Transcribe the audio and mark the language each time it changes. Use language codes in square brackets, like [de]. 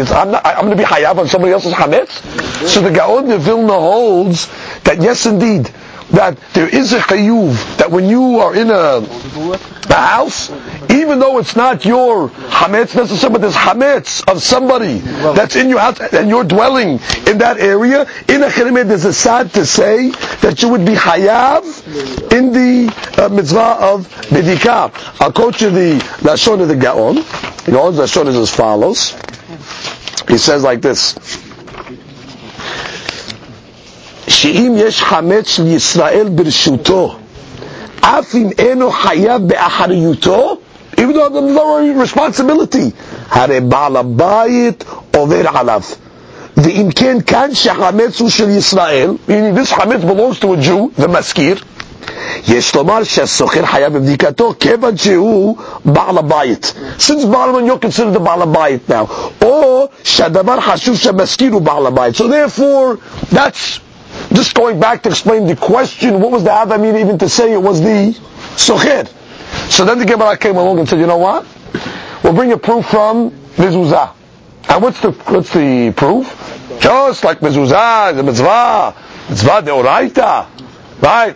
[en] I'm going to be hayav on somebody else's hametz? So the Gaon de Vilna holds that yes indeed, that there is a chayuv, that when you are in a house, even though it's not your hametz necessarily, but there's hametz of somebody that's in your house and you're dwelling in that area, in a chayuv there's a sad to say that you would be hayav in the mitzvah of bedikah. I'll quote you the Lashon of the Gaon. The Lashon is as follows. He says like this. [he] שאם יש חמץ של ישראל ברשותו, אף אם אינו חייב באחריותו, [en] even though there's no responsibility, [he] הרי בעל הבית עובר עליו. ואם כן כאן שחמץ הוא של ישראל, [en] meaning this חמץ belongs to a Jew, [he] the מזכיר, יש לומר שהסוחר חייב בבדיקתו, כיוון שהוא בעל הבית. [en] Since בעל הבית, you're considered the בעל הבית now. [he] או שהדבר חשוב שהמזכיר הוא בעל הבית. [en] So therefore, that's just going back to explain the question, what was the Adamin even to say it was the Socher? So then the Gemara came along and said, you know what? We'll bring a proof from Mezuzah. And what's the proof? Just like Mezuzah, the Mitzvah Deoraita, right?